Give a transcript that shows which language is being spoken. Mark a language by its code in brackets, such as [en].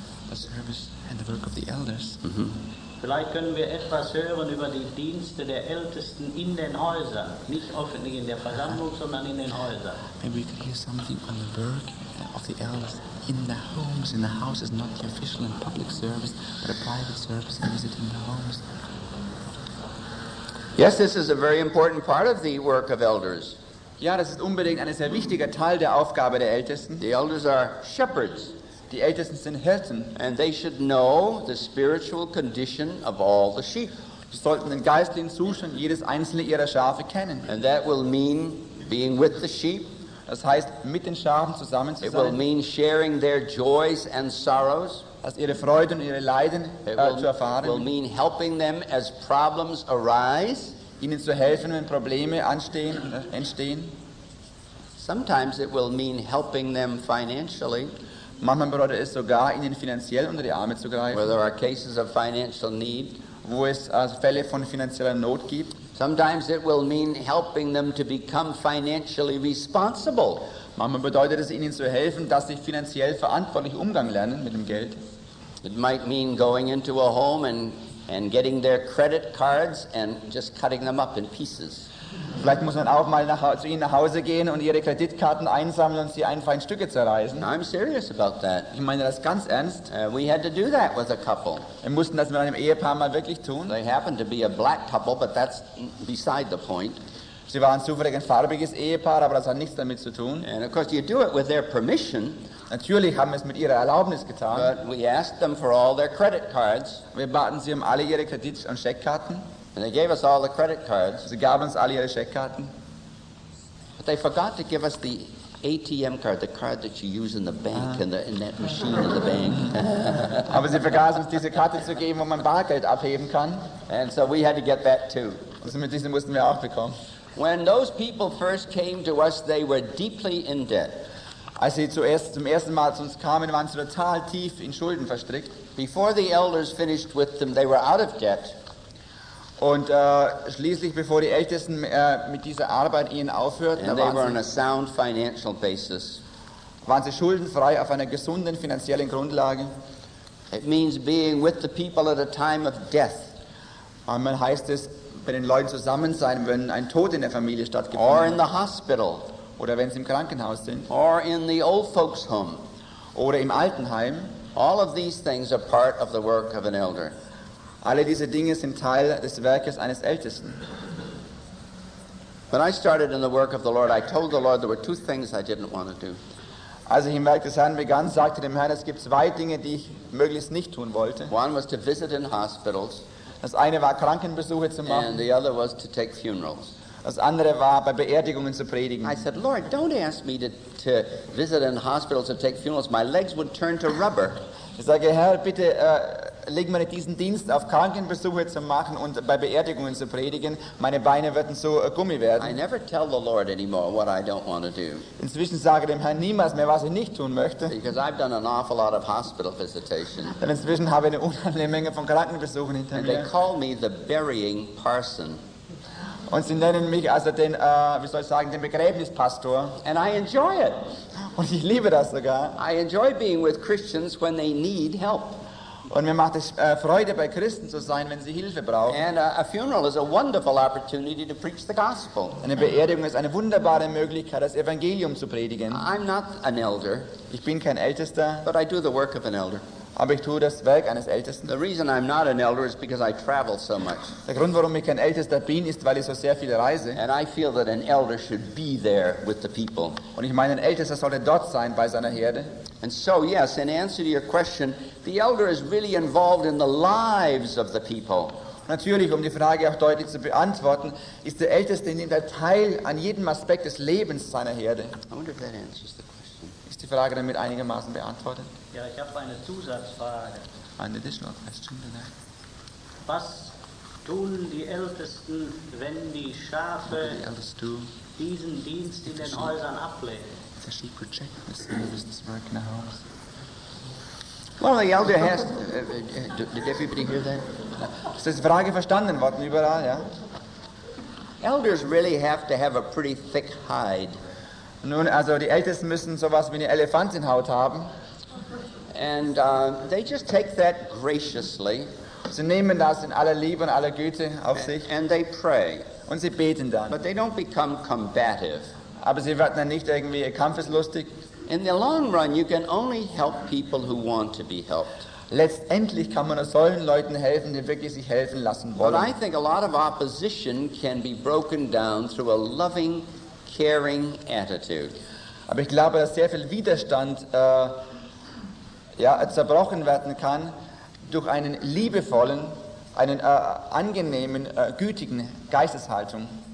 [en] The service and the work of the elders. [de] Vielleicht können wir etwas hören über die Dienste der Ältesten in den Häusern, nicht öffentlich in der Versammlung, sondern in den Häusern. [en] Maybe we could hear something on the work of the elders in the homes, in the houses, not the official and public service, but a private service and visiting the homes. Yes, this is a very important part of the work of elders. [de] Ja, das ist unbedingt ein sehr wichtiger Teil der Aufgabe der Ältesten. [en] The elders are shepherds. [de] Die Ältesten sind Hirten. [en] And they should know the spiritual condition of all the sheep. [de] Sie sollten den geistlichen Zustand jedes einzelne ihrer Schafe kennen. [en] And that will mean being with the sheep. [de] Das heißt, mit den Schafen zusammen zu sein. [en] It will mean sharing their joys and sorrows. [de] Also ihre Freuden und ihre Leiden zu erfahren. [en] It will mean helping them as problems arise. [de] Ihnen zu helfen, wenn Probleme anstehen, entstehen. [en] Sometimes it will mean helping them financially. [de] Manchmal bedeutet es sogar, ihnen finanziell unter die Arme zu greifen. [en] Where there are cases of financial need. [de] Wo es Fälle von finanzieller Not gibt. [en] Sometimes it will mean helping them to become financially responsible. [de] Manchmal bedeutet es ihnen zu helfen, dass sie finanziell verantwortlich umgang lernen mit dem Geld. [en] It might mean going into a home and getting their credit cards and just cutting them up in pieces. [de] Vielleicht muss man auch mal zu ihnen nach Hause gehen und ihre Kreditkarten einsammeln und sie einfach in Stücke zerreißen. [en] I'm serious about that. [de] Ich meine das ganz ernst. [en] We had to do that with a couple. [de] Wir mussten das mit einem Ehepaar mal wirklich tun. [en] They happened to be a black couple, but that's beside the point. [de] Sie waren zufällig ein farbiges Ehepaar, aber das hat nichts damit zu tun. [en] And of course you do it with their permission. [de] Natürlich haben wir es mit ihrer Erlaubnis getan. [en] But we asked them for all their credit cards. [de] Wir baten sie alle ihre Kredit- und Scheckkarten. [en] And they gave us all the credit cards. [de] Sie gaben uns alle ihre Scheckkarten. [en] But they forgot to give us the ATM card, the card that you use in the bank, in that machine in the bank. [de] Aber sie vergaßen uns diese Karte zu geben, wo man Bargeld abheben kann. [en] And so we had to get that too. [de] Also mit diesem mussten wir auch bekommen. [en] When those people first came to us, they were deeply in debt. [de] Als sie zum ersten Mal zu uns kamen, waren sie total tief in Schulden verstrickt. [en] Before the elders finished with them, they were out of debt. [de] Und schließlich, bevor die Ältesten mit dieser Arbeit ihnen aufhörten, [en] and they were on a sound financial basis. [de] Waren sie schuldenfrei auf einer gesunden finanziellen Grundlage. [en] It means being with the people at a time of death. [de] Man heißt es, bei den Leuten zusammen sein, wenn ein Tod in der Familie stattgefunden hat. [en] Or in the hospital. [de] Oder wenn sie im Krankenhaus sind. [en] Or in the old folks home. [de] Oder im Altenheim. [en] All of these things are part of the work of an elder. [de] Alle diese Dinge sind Teil des Werkes eines Ältesten. [en] When I started in the work of the Lord, I told the Lord there were two things I didn't want to do. [de] Als ich im Werk des Herrn begann, sagte dem Herrn, es gibt zwei Dinge, die ich möglichst nicht tun wollte. [en] One was to visit in hospitals. [de] Das eine war Krankenbesuche zu machen. [en] And the other was to take funerals. [de] Das andere war, bei Beerdigungen zu predigen. [en] I said, Lord, don't ask me to visit in hospitals or take funerals. My legs would turn to rubber. [de] Ich sage, Herr, bitte leg mir nicht diesen Dienst auf, Krankenbesuche zu machen und bei Beerdigungen zu predigen. Meine Beine würden so Gummi werden. [en] I never tell the Lord anymore what I don't want to do. [de] Inzwischen sage ich dem Herrn niemals mehr, was ich nicht tun möchte. [en] Because I've done an awful lot of hospital visitation. [de] Denn inzwischen habe ich eine unheimliche Menge von Krankenbesuchen hinter mir. [en] And they call me the burying parson. [de] Und sie nennen mich also den, wie soll ich sagen, den Begräbnispastor. [en] And I enjoy it. [de] Und ich liebe das sogar. [en] I enjoy being with Christians when they need help. [de] Und mir macht es Freude, bei Christen zu sein, wenn sie Hilfe brauchen. [en] And a funeral is a wonderful opportunity to preach the gospel. [de] Eine Beerdigung ist eine wunderbare Möglichkeit, das Evangelium zu predigen. [en] I'm not an elder. [de] Ich bin kein Ältester. [en] But I do the work of an elder. [de] Aber ich tue das Werk eines Ältesten. [en] The reason I'm not an elder is because I travel so much. [de] Der Grund, warum ich kein Ältester bin, ist, weil ich so sehr viel reise. [en] And I feel that an elder should be there with the people. [de] Und ich meine, ein Ältester sollte dort sein bei seiner Herde. [en] And so, yes, in answer to your question, the elder is really involved in the lives of the people. [de] Natürlich, um die Frage auch deutlich zu beantworten, ist der Älteste in der Teil an jedem Aspekt des Lebens seiner Herde. [en] I wonder if that answers the question. [de] Ist die Frage damit einigermaßen beantwortet? Ja, ich habe eine Zusatzfrage. [en] An additional question tonight. [de] Was tun die Ältesten, wenn die Schafe diesen Dienst in den Häusern ablegen? [en] Sheep reject this business work in the house. Well, the elder has. Did everybody hear that? [de] Ist die Frage verstanden worden überall, ja? [en] Elders really have to have a pretty thick hide. [de] Nun, also die Ältesten müssen sowas wie eine Elefantenhaut haben. [en] And they just take that graciously. [de] Sie nehmen das in aller Liebe und aller Güte auf sich. [en] And they pray. [de] Und sie beten dann. [en] But they don't become combative. [de] Aber sie werden dann nicht irgendwie kampfeslustig. [en] In the long run, you can only help people who want to be helped. [de] Letztendlich kann man nur solchen Leuten helfen, die wirklich sich helfen lassen wollen. [en] But I think a lot of opposition can be broken down through a loving, caring attitude. [de] Aber ich glaube, dass sehr viel Widerstand zerbrochen werden kann durch einen liebevollen, einen angenehmen, gütigen Geisteshaltung.